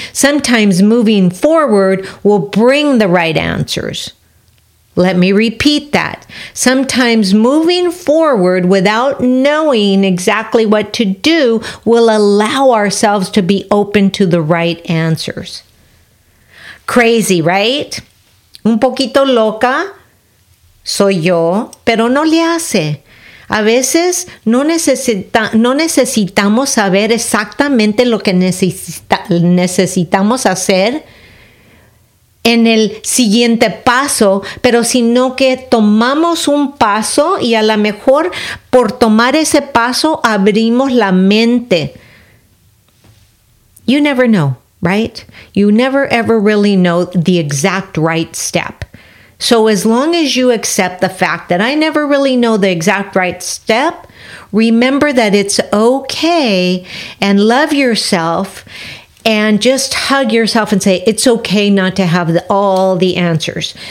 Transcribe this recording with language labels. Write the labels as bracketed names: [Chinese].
[English] Sometimes moving forward will bring the right answers. Let me repeat that. Sometimes moving forward without knowing exactly what to do will allow ourselves to be open to the right answers. Crazy, right? [Spanish] Un poquito loca soy yo, pero no le hace. A veces no necesitamos saber exactamente lo que necesitamos hacer en el siguiente paso, pero sino que tomamos un paso y a lo mejor por tomar ese paso abrimos la mente. [English] You never know. Right? You never ever really know the exact right step. So as long as you accept the fact that I never really know the exact right step, remember that it's okay and love yourself and just hug yourself and say, it's okay not to have all the answers.